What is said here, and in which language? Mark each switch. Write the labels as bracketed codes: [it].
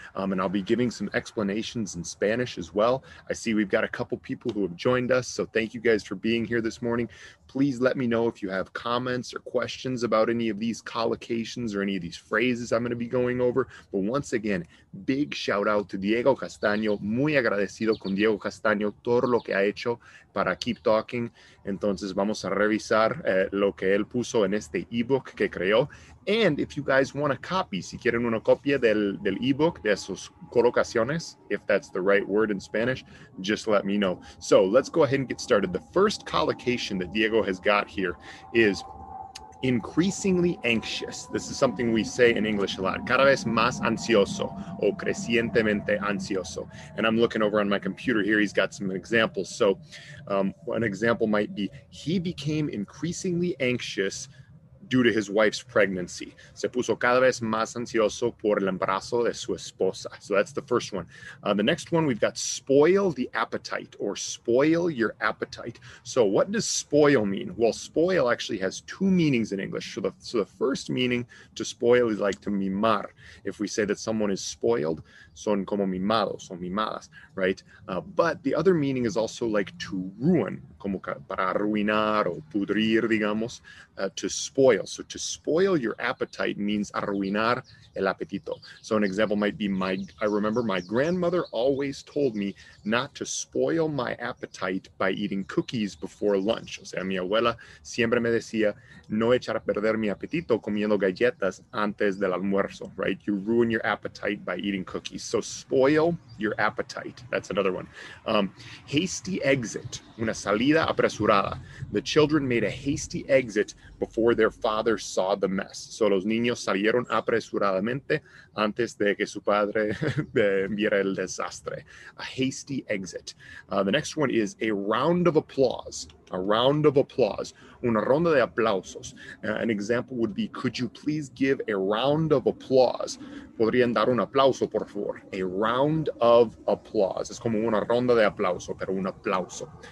[en] And I'll be giving some explanations in Spanish as well. I see we've got a couple people who have joined us. So thank you guys for being here this morning. Please let me know if you have comments or questions about any of these collocations or any of these phrases I'm going to be going over. But once again, big shout out to Diego Castaño. [es] Muy agradecido con Diego Castaño todo lo que ha hecho para Keep Talking. Entonces vamos a revisar lo que él puso en este ebook que creó. [en] And if you guys want a copy, [es] si quieren una copia del ebook, de esos colocaciones, [en] if that's the right word in Spanish, just let me know. So let's go ahead and get started. The first collocation that Diego has got here is increasingly anxious. This is something we say in English a lot. [es] Cada vez más ansioso o crecientemente ansioso. [en] And I'm looking over on my computer here. He's got some examples. So an example might be, he became increasingly anxious due to his wife's pregnancy. [es] Se puso cada vez más ansioso por el embarazo de su esposa. [en] So that's the first one. The next one, we've got spoil the appetite, or spoil your appetite. So what does spoil mean? Well, spoil actually has two meanings in English. So the first meaning, to spoil, is like to mimar. If we say that someone is spoiled, [es] son como mimados, son mimadas, [en] right? But the other meaning is also like to ruin, [es] como para arruinar o pudrir, digamos, [en] to spoil. So to spoil your appetite means [es] arruinar el apetito. [en] So an example might be, I remember my grandmother always told me not to spoil my appetite by eating cookies before lunch. [es] O sea, mi abuela siempre me decía, no echar a perder mi apetito comiendo galletas antes del almuerzo, right? [en] You ruin your appetite by eating cookies. So spoil your appetite. That's another one. Hasty exit, [es] una salida apresurada. [en] The children made a hasty exit before their father saw the mess. [es] So los niños salieron apresuradamente antes de que su padre viera el desastre. [en] A hasty exit. The next one is a round of applause. A round of applause. [es] Una ronda de aplausos. [en] An example would be, could you please give a round of applause? [es] Podrían dar un aplauso, por favor. [en] A round of applause. [es] Es como una ronda de aplauso, pero un aplauso.